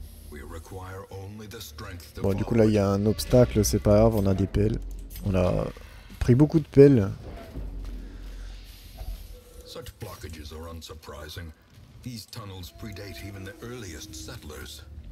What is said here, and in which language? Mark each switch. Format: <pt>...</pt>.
<en>We require only the strength to follow.</en> <fr>Bon, du coup, là, il y a un obstacle, c'est pas grave, on a des pelles. On a pris beaucoup de pelles.</fr> <en>Such blockages are unsurprising. These tunnels predate even the earliest settlers.</en>